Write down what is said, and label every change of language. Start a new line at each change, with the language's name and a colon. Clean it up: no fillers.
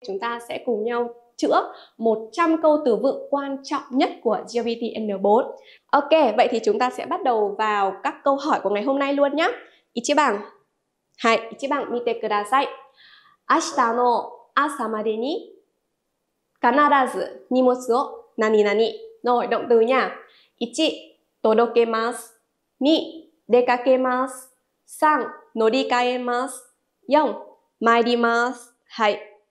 Vietnamese: Chúng ta sẽ cùng nhau chữa 100 câu từ vựng quan trọng nhất của GPT N4. Ok, vậy thì chúng ta sẽ bắt đầu vào các câu hỏi của ngày hôm nay luôn nhé.
Japanese: 1番. Hai, 1番 見てください。明日の朝までに必ず荷物を何々の動詞や1届けます2出かけます3乗り換えます4参りますはい